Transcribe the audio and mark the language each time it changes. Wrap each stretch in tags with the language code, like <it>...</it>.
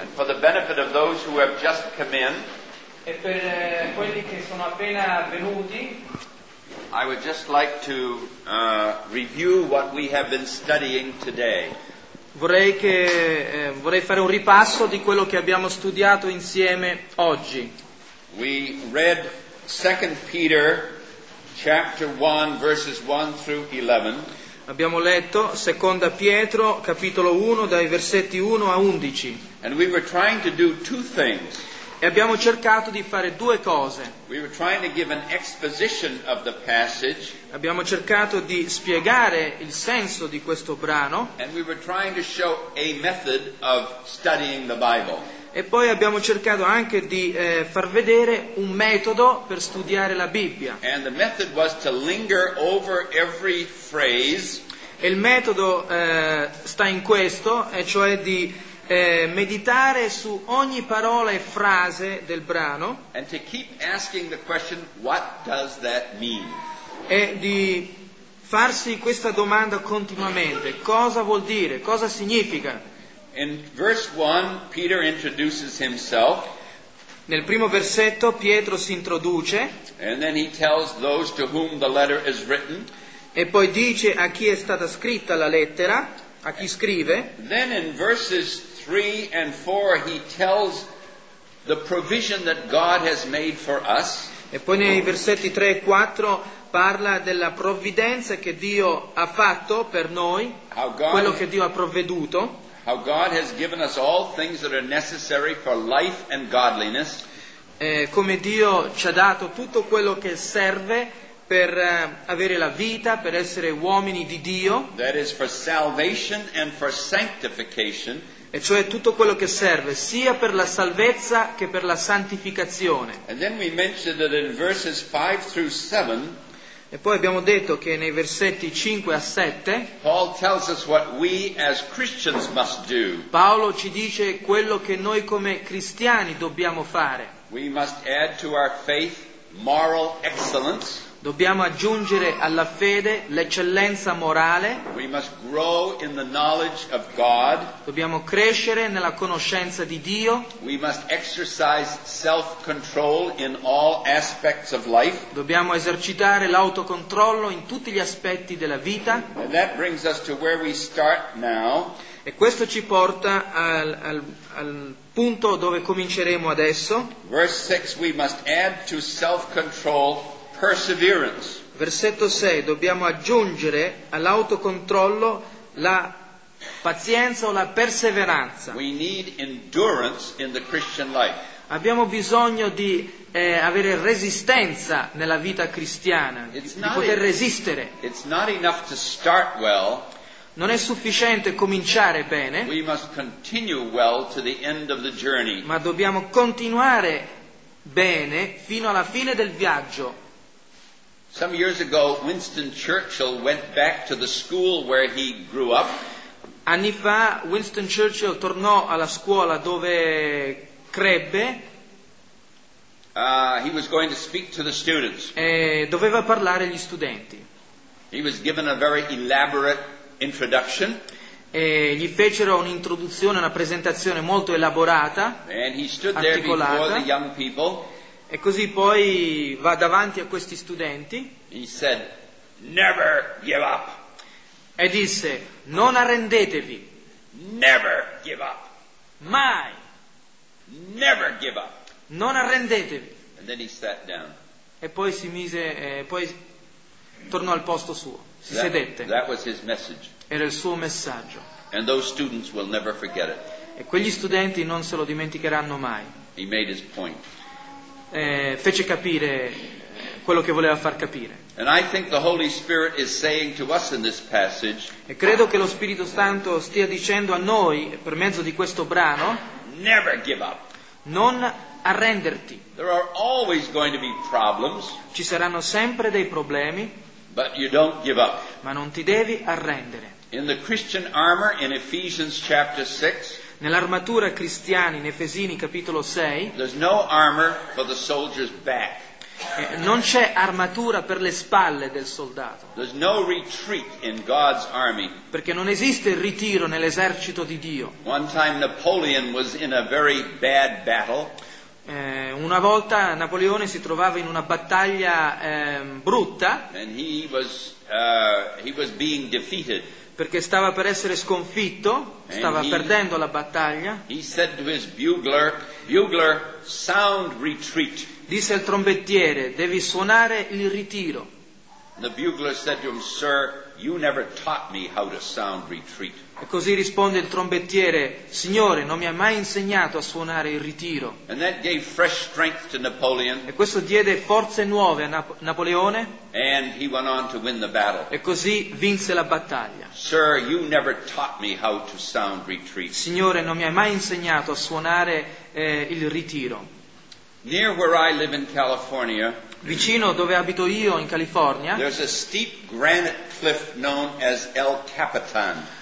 <en>And for the benefit of those who have just come in,</en> <it>e per quelli che sono appena venuti,</it> <en>I would just like to review what we have been studying today.</en> <it>Vorrei fare un ripasso di quello che abbiamo studiato insieme oggi.</it> <en>We read 2 Peter chapter 1 verses 1 through 11.</en> <it>Abbiamo letto Seconda Pietro capitolo 1 dai versetti 1 a 11.</it> <en>And we were trying to do two things.</en> <it>E abbiamo cercato di fare due cose.</it> <en>We were trying to give an exposition of the passage.</en> <it>Abbiamo cercato di spiegare il senso di questo brano.</it> <en>And we were trying to show a method of studying the Bible.</en> <it>E poi abbiamo cercato anche di far vedere un metodo per studiare la Bibbia.</it> <en>And the method was to linger over every phrase.</en> <it>E il metodo sta in questo, e cioè di meditare su ogni parola e frase del brano.</it> <en>And to keep asking the question, what does that mean?</en> <it>E di farsi questa domanda continuamente: cosa vuol dire? Cosa significa?</it> <en>In verse 1 Peter introduces himself.</en> <it>Nel primo versetto Pietro si introduce.</it> <en>And then he tells those to whom the letter is written.</en> <it>E poi dice a chi è stata scritta la lettera, a chi scrive.</it> <en>Then in verses 3 and 4 he tells the provision that God has made for us.</en> <it>E poi nei versetti 3 e 4 parla della provvidenza che Dio ha fatto per noi, quello che Dio ha provveduto.</it> <en>How God has given us all things that are necessary for life and godliness.</en> <it>Come Dio ci ha dato tutto quello che serve per avere la vita, per essere uomini di Dio.</it> <en>That is for salvation and for sanctification.</en> <it>E cioè tutto quello che serve sia per la salvezza che per la santificazione.</it> <en>And then we mentioned that in verses 5 through 7.</en> <it>E poi abbiamo detto che nei versetti 5 a 7</it> <en>Paul tells us what we as Christians must do.</en> <it>Paolo ci dice quello che noi come cristiani dobbiamo fare.</it> <en>We must add to our faith moral excellence.</en> <it>Dobbiamo aggiungere alla fede l'eccellenza morale.</it> <en>We must grow in the knowledge of God.</en> <it>Dobbiamo crescere nella conoscenza di Dio.</it> <en>We must exercise self-control in all aspects of life.</en> <it>Dobbiamo esercitare l'autocontrollo in tutti gli aspetti della vita.</it> <en>And that brings us to where we start now.</en> <it>E questo ci porta al punto dove cominceremo adesso.</it> <en>Verse 6, we must add to self-control perseverance.</en> <it>Versetto 6, dobbiamo aggiungere all'autocontrollo la pazienza o la perseveranza.</it> <en>We need endurance in the Christian life.</en> <it>Abbiamo bisogno di avere resistenza nella vita cristiana, di poter resistere.</it> <en>It's not enough to start well.</en> <it>Non è sufficiente cominciare bene.</it> <en>We must continue well to the end of the journey.</en> <it>Ma dobbiamo continuare bene fino alla fine del viaggio.</it> <en>Some years ago, Winston Churchill went back to the school where he grew up.</en> <it>Anni fa, Winston Churchill tornò alla scuola dove crebbe.</it> <en>He was going to speak to the students.</en> <it>E doveva parlare agli studenti.</it> <en>He was given a very elaborate introduction.</en> <it>E gli fecero un'introduzione, una presentazione molto elaborata.</it> <en>And he stood there before the young people.</en> <it>E così poi va davanti a questi studenti.</it> <en>He said, never give up.</en> <it>E disse, non arrendetevi.</it> <en>Never give up.</en> <it>Mai.</it> <en>Never give up.</en> <it>Non arrendetevi.</it> <en>And then he sat down.</en> <it>E poi si mise, poi tornò al posto suo. Si sedette.</it> <en>That was his message.</en> <it>Era il suo messaggio.</it> <en>And those students will never forget it.</en> <it>E quegli studenti non se lo dimenticheranno mai.</it> <en>He made his point.</en> <it>Fece capire quello che voleva far capire.</it> <en>And I think the Holy Spirit is saying to us in this passage.</en> <it>E credo che lo Spirito Santo stia dicendo a noi per mezzo di questo brano.</it> <en>Never give up.</en> <it>Non arrenderti.</it> <en>There are always going to be problems.</en> <it>Ci saranno sempre dei problemi.</it> <en>But you don't give up.</en> <it>Ma non ti devi arrendere.</it> <en>In the Christian armor in Ephesians chapter 6.</en> <it>Nell'armatura cristiana in Efesini capitolo 6</it> <en>there's no armor for the soldier's back.</en> <it>Non c'è armatura per le spalle del soldato.</it> <en>There's no retreat in God's army.</en> <it>Perché non esiste il ritiro nell'esercito di Dio.</it> <en>One time Napoleon was in a very bad battle.</en> <it>Una volta Napoleone si trovava in una battaglia brutta.</it> <en>And he was being defeated.</en> <it>Perché stava per essere sconfitto, stava perdendo la battaglia.</it> <en>He said to his bugler, "Bugler, sound retreat."</en> <it>Disse al trombettiere, devi suonare il ritiro.</it> <en>The bugler said to him, "Sir, you never taught me how to sound retreat."</en> <it>E così risponde il trombettiere, signore, non mi ha mai insegnato a suonare il ritiro.</it> <en>And that gave fresh strength to Napoleon.</en> <it>E questo diede forze nuove a Napoleone.</it> <en>And he went on to win the battle.</en> <it>E così vinse la battaglia.</it> <en>Sir, you never taught me how to sound retreat.</en> <it>Signore, non mi hai mai insegnato a suonare il ritiro.</it> <en>Near where I live in California,</en> <it>vicino dove abito io in California,</it> <en>there's a steep granite cliff known as El Capitan.</en>